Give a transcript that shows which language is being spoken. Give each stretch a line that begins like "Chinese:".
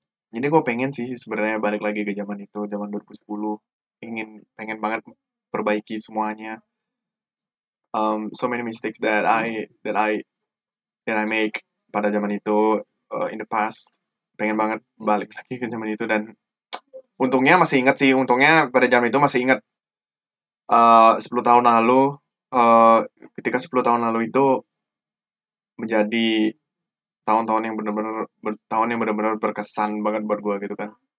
Indonesian: Jadi gue pengen sih sebenarnya balik lagi ke zaman itu, zaman 2010. Pengen banget perbaiki semuanya.
English: So many mistakes that I make
Indonesian: pada zaman itu,
English: in the past.
Indonesian: Pengen banget balik lagi ke zaman itu, dan untungnya masih ingat sih. Untungnya pada zaman itu masih ingat. 10 tahun lalu, ketika 10 tahun lalu itu menjadi tahun-tahun yang benar-benar berkesan banget buat gue gitu kan.